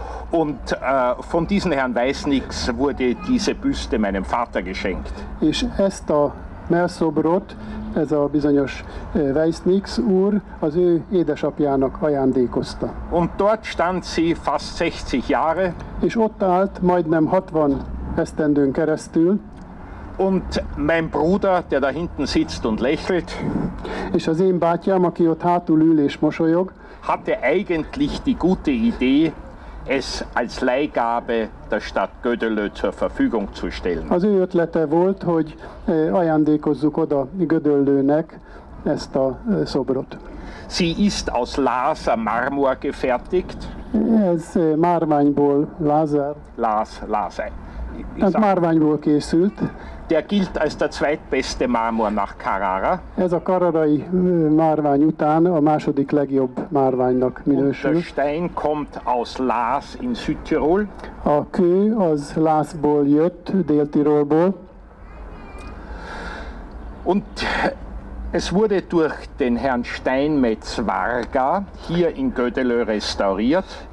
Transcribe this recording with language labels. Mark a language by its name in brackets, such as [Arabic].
[German] Und von diesen Herrn Weißnix wurde diese Büste meinem Vater geschenkt. [Hungarian] És ezt a mellszobrot, ez a bizonyos Weißnix úr, az ő édesapjának ajándékozta. [German] Und dort stand sie fast 60 Jahre. [Hungarian] És ott állt majdnem 60 esztendőn keresztül. [German] Und mein Bruder, der da hinten sitzt und lächelt. [Hungarian] És az én bátyám, aki ott hátul ül és mosolyog. [German] Hatte eigentlich die gute Idee, es als Leihgabe der Stadt Gödöllő zur Verfügung zu stellen. [Hungarian] Az ő ötlete volt, hogy ajándékozzuk oda Gödöllőnek ezt a szobrot. [German] Sie ist aus Laser Marmor gefertigt. [Hungarian] Ez márványból Laser. [German] Laser. [Hungarian] Ez márványból készült. [German] Der gilt als der zweitbeste Marmor nach Carrara. [Hungarian] Ez a karrarai márvány után a második legjobb márványnak minősül. [German] Der Stein kommt aus Laas in Südtirol. [Hungarian] A kő az Laasból jött, Dél-Tirolból. [German] Und es wurde durch den Herrn Steinmetz Varga hier in Gödöllő restauriert.